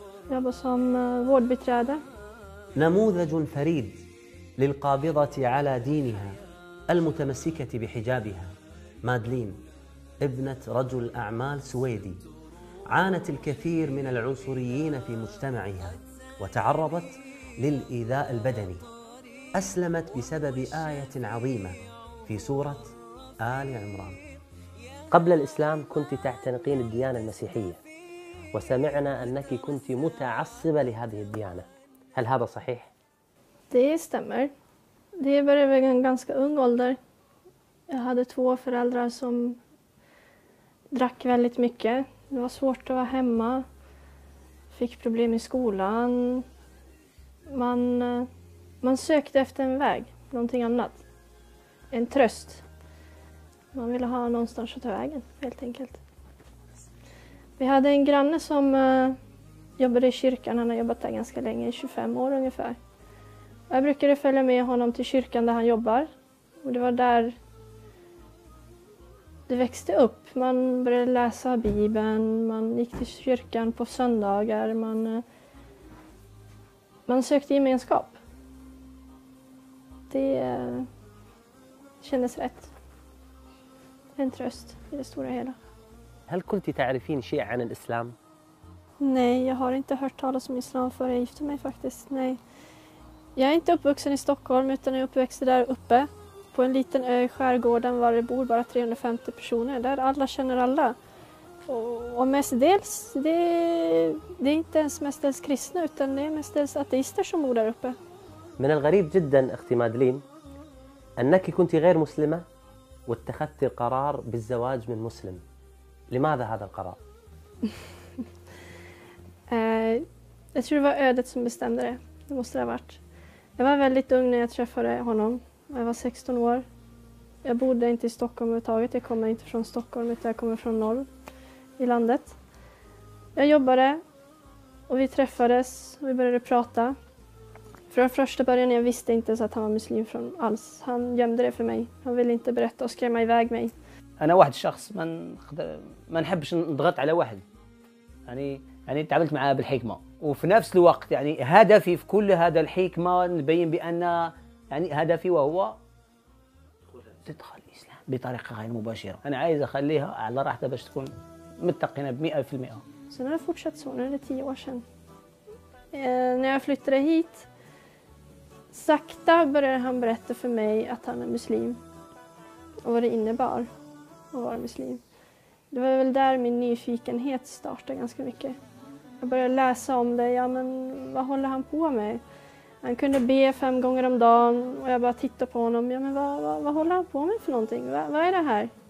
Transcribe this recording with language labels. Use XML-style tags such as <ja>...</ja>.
<sv>Jobbar som vårdbiträde.</sv> <ar>نموذج فريد للقابضة على دينها المتمسكة بحجابها. مادلين ابنة رجل أعمال سويدي عانت الكثير من العنصريين في مجتمعها وتعرضت للإيذاء البدني أسلمت بسبب آية عظيمة في سورة آل عمران قبل الإسلام كنت تعتنقين الديانة المسيحية وسمعنا أنك كنت متعصبة لهذه الديانة هل هذا صحيح؟</ar> <sv>Det stämmer. Det började vid en ganska ung ålder. Jag hade två föräldrar som drack väldigt mycket. Det var svårt att vara hemma. Fick problem i skolan. Man sökte efter en väg, någonting annat. En tröst. Man ville ha någonstans att ta vägen, helt enkelt. Vi hade en granne som jobbade i kyrkan. Han har jobbat där ganska länge, 25 år ungefär. Jag brukade följa med honom till kyrkan där han jobbar. Och det var där det växte upp. Man började läsa Bibeln, man gick till kyrkan på söndagar, man sökte gemenskap. Det kändes rätt. En tröst i det stora hela.</sv> <ar>هل كنت تعرفين شيء عن الإسلام؟</ar> <sv>Nej, jag har inte hört talas om islam före jag gifte mig faktiskt. Nej. Jag är inte uppvuxen i Stockholm utan jag är uppväxt där uppe. På en liten ö i skärgården var det bor bara 350 personer. Där alla känner alla. Och mestadels, det är inte ens mestadels kristna utan det är mestadels ateister som bor där uppe.</sv> <ar>من الغريب جدا اختي مادلين انك كنت غير مسلمة واتخذت القرار بالزواج من مسلم. لماذا هذا القرار؟</ar> <sv>Jag tror det var ödet som bestämde det. Det måste det ha varit. Jag var väldigt ung när jag träffade honom. Jag var 16 år. Jag bodde inte i Stockholm överhuvudtaget. Jag kommer inte från Stockholm utan jag kommer från norr i landet. Jag jobbade och vi träffades och vi började prata. Från första början jag visste inte så att han var muslim från alls. Han gömde det för mig. Han ville inte berätta och skrämma iväg mig.</sv> <ar>أنا واحد شخص ما نحبش نضغط على واحد. يعني تعاملت معاه بالحكمة وفي نفس الوقت يعني هدفي في كل هذا الحكمة نبين بأن يعني هدفي وهو تدخل الإسلام بطريقة غير مباشرة أنا عايز أخليها على راحتها باش تكون متقنة بمئة في المئة سنة فوتشات سنة لتي وشن نيا فلت رهيت سكتا برر هم برهت في مي أتانا مسلم وري إني بار</ar> <sv>och vara muslim. Det var väl där min nyfikenhet startade ganska mycket. Jag började läsa om det. Ja, men vad håller han på med? Han kunde be fem gånger om dagen och jag bara tittade på honom. Ja, men vad håller han på med för någonting? Vad är det här?</sv>